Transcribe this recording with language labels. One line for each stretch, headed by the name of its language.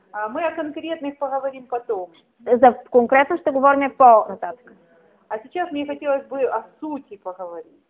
Russian: Мы о конкретных поговорим потом.
Bulgarian: За конкретно ще говорим по-нататък.
Russian: А сейчас мне хотелось бы о сути поговорить.